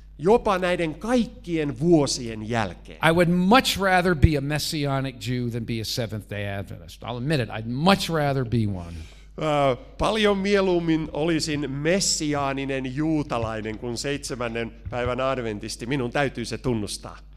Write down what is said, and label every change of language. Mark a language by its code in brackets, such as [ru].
[fi] Jopa näiden kaikkien vuosien jälkeen. [en] I would much rather be a messianic Jew than be a Seventh-day Adventist. I'll admit it, I'd much rather be one. [fi] Paljon mieluummin olisin messiaaninen juutalainen kuin seitsemännen päivän adventisti. Minun täytyy se tunnustaa.